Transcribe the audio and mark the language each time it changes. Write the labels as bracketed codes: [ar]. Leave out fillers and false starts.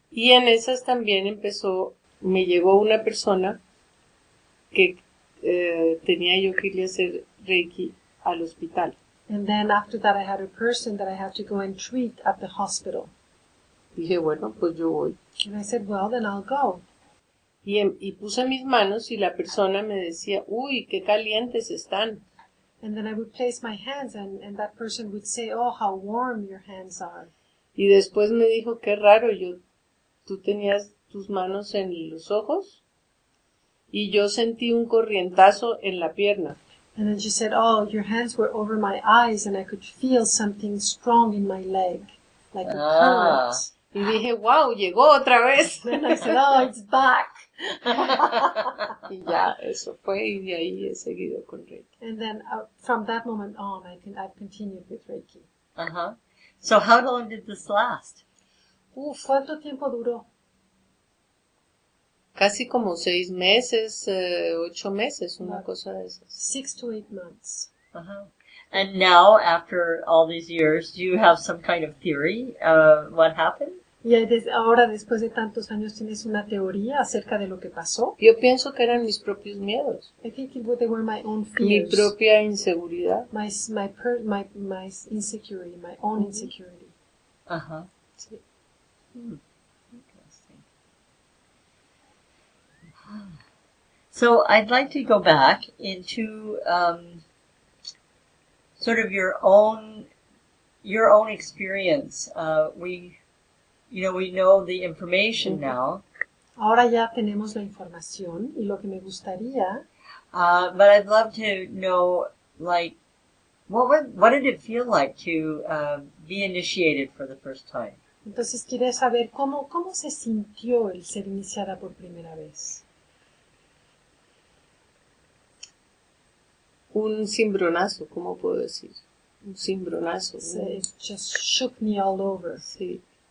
[es] Y en esas también empezó, me llegó una persona que tenía yo que irle a hacer Reiki al hospital. [en] And then after that, I had a person that I had to go and treat at the hospital. [es] Dije, bueno, pues yo voy. [en] And I said, well, then I'll go. [es] Y puse mis manos y la persona me decía, uy, qué calientes están. [en] And then I would place my hands and that person would say, oh, how warm your hands are. [es] Y después me dijo, qué raro, tú tenías tus manos en los ojos y yo sentí un corrientazo en la pierna. [en] And then she said, oh, your hands were over my eyes, and I could feel something strong in my leg, like a current. [es] Y dije, wow, llegó otra vez. [en] And then I said, oh, it's back. [es] Y ya, eso fue, y de ahí he seguido con Reiki. [en] And then from that moment on, I've continued with Reiki. Uh-huh. So how long did this last? [es] Uf, ¿cuánto tiempo duró? Casi como 6 meses, 8 meses, una cosa de esas. [en] 6 to 8 months. Uh-huh. And now, after all these years, do you have some kind of theory of what happened? [es] Yeah, ahora, después de tantos años, ¿tienes una teoría acerca de lo que pasó? Yo pienso que eran mis propios miedos. [en] I think it were my own fears. [es] Mi propia inseguridad. [en] My insecurity, my own mm-hmm. insecurity. Uh-huh. [es] Sí. Mm. [en] So I'd like to go back into sort of your own experience. We know the information now. [es] Ahora ya tenemos la información y lo que me gustaría. [en] But I'd love to know, like, what did it feel like to be initiated for the first time? [es] Entonces quería saber cómo se sintió el ser iniciada por primera vez. Un cimbronazo, ¿cómo puedo decir? Un cimbronazo. [en] So it just shook me all over. [es] Sí.